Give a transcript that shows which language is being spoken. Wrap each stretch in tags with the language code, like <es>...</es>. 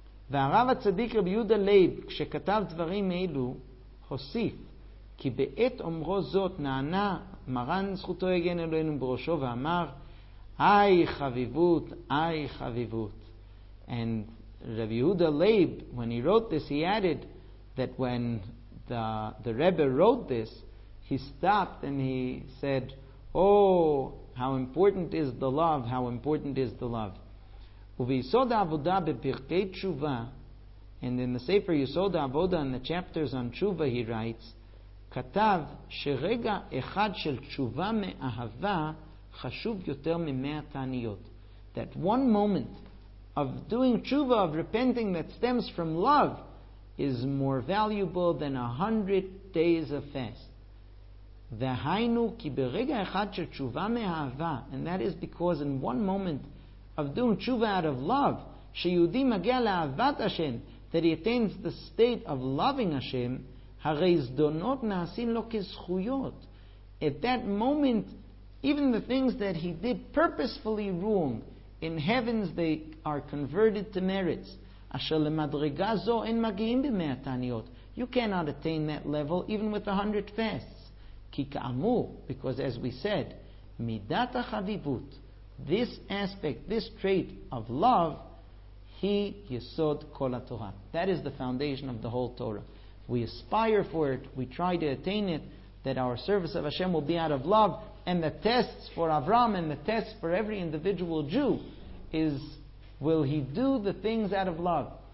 <he>והרב הצדיק רבי יהודה לייב, כשכתב דברים אלו, הוסיף, כי בעת אומרו זאת נענה מרן זכותו יגן אלינו בראשו ואמר, אי חביבות, אי חביבות.</he> <en>And רבי יהודה לייב, when he wrote this, he added that when the Rebbe wrote this, he stopped and he said, oh, how important is the love, how important is the love.</en> <he>וביסוד העבודה בפרקי תשובה,</he> <en>and in the Sefer Yisod HaAvoda, in the chapters on תשובה, he writes,</en> <he>כתב שרגע אחד של תשובה מאהבה חשוב יותר ממאה תעניות.</he> <en>That one moment of doing תשובה, of repenting that stems from love, is more valuable than 100 days of fast.</en> <he>והיינו כי ברגע אחד שתשובה מאהבה,</he> <en>and that is because in one moment of doing תשובה out of love,</en> <he>שיהודי מגיע לאהבת השם,</he> <en>that he attains the state of loving השם,</en> <he>הרי זדונות נעשים לו כזכויות.</he> <en>At that moment, even the things that he did purposefully wrong, in heavens they are converted to merits.</en> <he>אשר למדרגה זו אין מגיעים במאה תעניות.</he> <en>You cannot attain that level even with 100 fasts.</en> <he>כי כאמור,</he> <en>because as we said,</en> <he>מידת החביבות,</he> <en>this aspect, this trait of love, he</en> <he>יסוד כל התורה.</he> <en>That is the foundation of the whole Torah. We aspire for it, we try to attain it, that our service of Hashem will be out of love, and the tests for Avram and the tests for every individual Jew is, will he do the things out of love?</en>